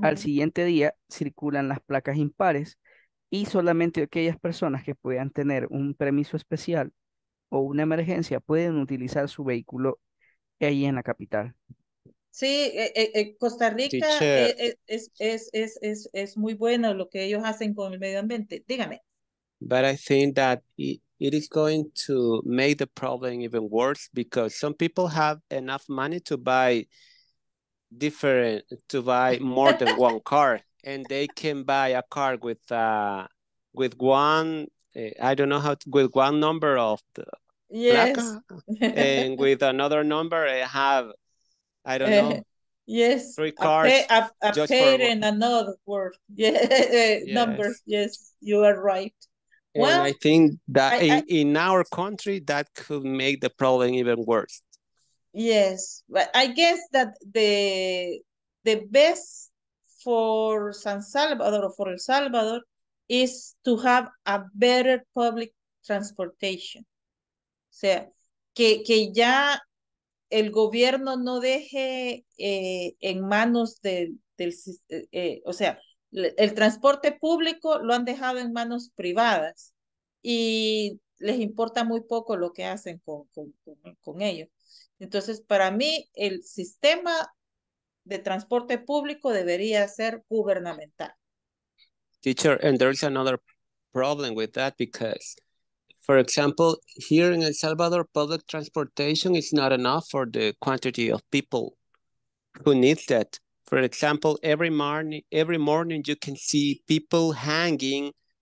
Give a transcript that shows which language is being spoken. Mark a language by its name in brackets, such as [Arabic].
[Spanish] Al siguiente día circulan las placas impares y solamente aquellas personas que puedan tener un permiso especial o una emergencia pueden utilizar su vehículo ahí en la capital. Sí, Costa Rica es muy bueno lo que ellos hacen con el medio ambiente. Dígame. [English] But I think that it is going to make the problem even worse because some people have enough money to buy different, to buy more than one car, and they can buy a car with one number of the yes. placa, and with another number, they have, I don't know. Yes, three cars. A pair and another word. Yeah. Yes. Number. Yes, you are right. Well, and I think that in our country, that could make the problem even worse. Yes, but I guess that the best for San Salvador or for El Salvador is to have a better public transportation. [Spanish] O sea, que ya el gobierno no deje en manos el transporte público lo han dejado en manos privadas y les importa muy poco lo que hacen con ellos. Entonces, para mí, el sistema de transporte público debería ser gubernamental. [English] Teacher, and there's another problem with that because, for example, here in El Salvador, public transportation is not enough for the quantity of people who need that. For example, every morning you can see people hanging